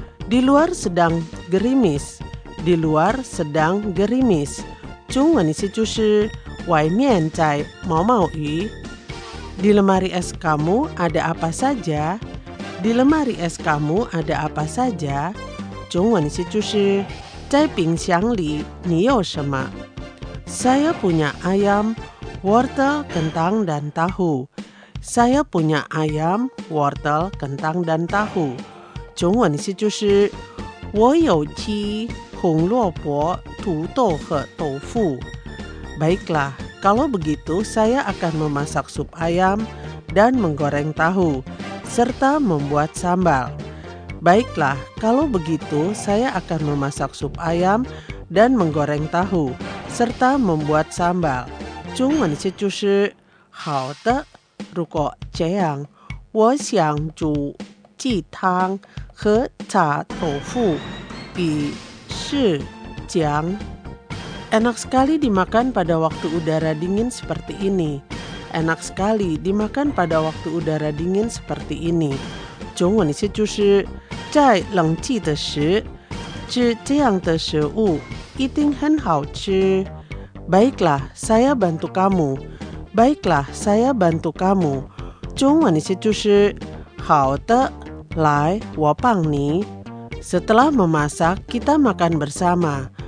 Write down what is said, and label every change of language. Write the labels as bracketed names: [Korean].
[Indonesian] Di luar sedang gerimis. Di luar sedang gerimis. [Chinese] 中文是就是外面在毛毛雨。 [Indonesian] Di lemari es kamu ada apa saja? Di lemari es kamu ada apa saja? [Chinese] 中文是就是在冰箱里你有什么？ [Indonesian] Saya punya ayam, wortel, kentang dan tahu. Saya punya ayam, wortel, kentang dan tahu. [Chinese] 中文是就是我有鸡、红萝卜、土豆和豆腐。 [Indonesian] Baiklah, kalau begitu saya akan memasak sup ayam dan menggoreng tahu. Serta membuat sambal. Baiklah, kalau begitu saya akan memasak sup ayam dan menggoreng tahu serta membuat sambal. [Chinese] 中文是就是好的，如果这样，我想煮鸡汤和炸豆腐，比是讲。 [Indonesian] Enak sekali dimakan pada waktu udara dingin seperti ini. Enak sekali dimakan pada waktu udara dingin seperti ini. [Chinese] 中文是就是在冷气的时吃这样的食物一定很好吃。 [Indonesian] Baiklah, saya bantu kamu. Baiklah, saya bantu kamu. [Chinese] 中文是就是好的，来，我帮你。 [Indonesian] Setelah memasak, kita makan bersama.